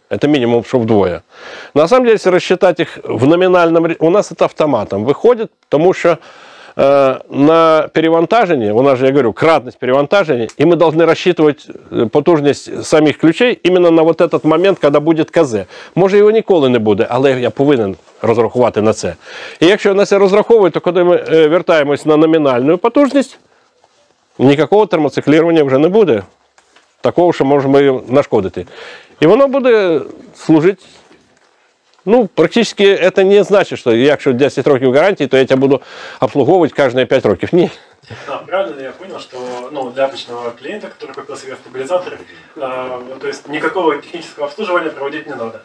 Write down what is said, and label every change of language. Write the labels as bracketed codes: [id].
[ru] Это минимум, что вдвое. На самом деле, если рассчитать их в номинальном... У нас это автоматом выходит, потому что на перевантажении, у нас же, я говорю, кратность перевантажения, и мы должны рассчитывать потужность самих ключей именно на вот этот момент, когда будет КЗ. Может, его [uk] ніколи не буде, але я повинен розрахувати на це. І якщо нас розраховують, то коли ми вертаємось на номінальну потужність, ніякого термоциклювання вже не буде. Такого, що можемо нашкодити. І воно буде служити. [ru] Ну, практически это не значит, что я, что [uk] 10 років [ru] гарантии, то я тебя буду обслуговывать каждые [uk] 5 років. [ru] Нет. Да, правильно я понял, что ну, для обычного клиента, который купил себе стабилизатор, то есть никакого технического обслуживания проводить не надо.